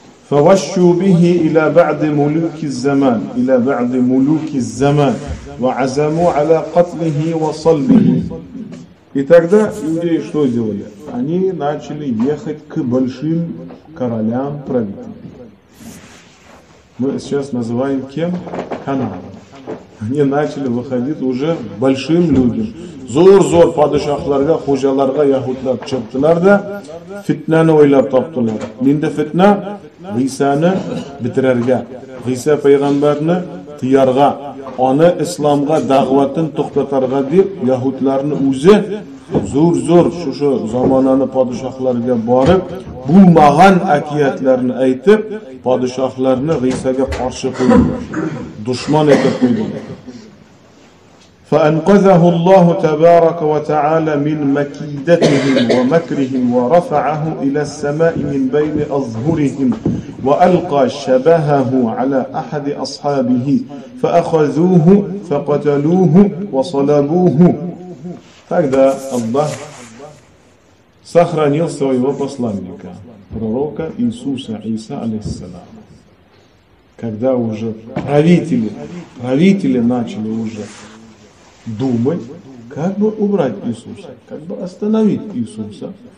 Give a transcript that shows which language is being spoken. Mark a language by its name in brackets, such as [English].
[Arabic] فوشوا به إلى بعض ملوك الزمان إلى بعض ملوك الزمان وعزموا على قتله وصلبه. [Russian] И тогда люди что сделали? Они начали ехать к большим королям, правителям. Мы сейчас называем кем? Канаан. Они начали выходить уже большим людям. [Tatar] Зор-зор падышахларга, хужаларга, яхудлар чыптылар да фитнаны ойлап таптылар. Нинде фитна? Гисаны битирерге. Гиса пайгамбарны тиярга, аны исламга дагъватын токтотарга деп яхудларны өзе зор-зор шушу замананы падышахларга барып, бу маган акиятларны айтып, падышахларны Гисага каршы койдылар. Душман этеп койдылар. [Arabic] فأنقذه الله تبارك وتعالى من مكيدتهم ومكرهم ورفعه إلى السماء من بين أظهرهم وألقى شبهه على أحد أصحابه فأخذوه فقتلوه وصلبوه. [Russian] Тогда Аллах сохранил своего посланника, пророка Иисуса Иса алейхиссалам. Когда уже правители начали уже думать, как бы убрать Иисуса, как бы остановить Иисуса.